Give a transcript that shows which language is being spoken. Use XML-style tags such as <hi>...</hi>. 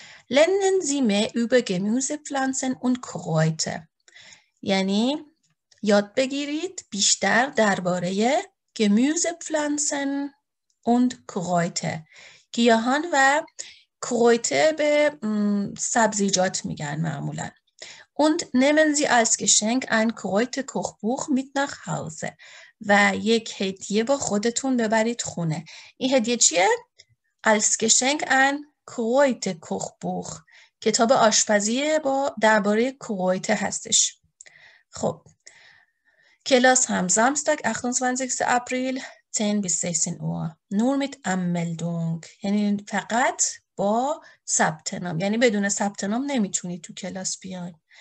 <de>Lernen Sie mehr über Gemüsepflanzen und Kräuter.</de> <fa>یعنی یاد بگیرید بیشتر درباره</fa> <de>Gemüsepflanzen und Kräuter.</de> <fa>گیاهان و کرویته به سبزیجات میگن معمولا.</fa> <de>Und nehmen Sie als Geschenk ein Kräuterkochbuch mit nach Hause.</de> <fa>و یک هدیه با خودتون ببرید خونه. این هدیه چیه؟</fa> <de>Als Geschenk ein Kräuterkochbuch.</de> <fa>کتاب آشپزی با درباره کرویته هستش. خب کلاس هم</fa> <de>زامستگ 28 اپریل 10 بیس 16 اوه نور میت املدونگ،</de> <fa>یعنی فقط با ثبت نام، یعنی بدون ثبت نام نمیتونید تو کلاس بیاین.</fa>